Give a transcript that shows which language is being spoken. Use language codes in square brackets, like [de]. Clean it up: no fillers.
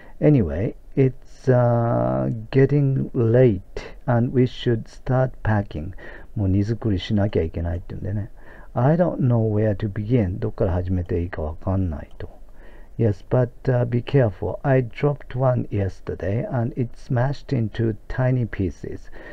[en] Anyway, it's getting late and we should start packing. [ja] もう荷造りしなきゃいけないって言うんだよね。 [en] I don't know where to begin. [ja] どっから始めていいかわかんないと。 [en] Yes, but be careful. I dropped one yesterday and it smashed into tiny pieces.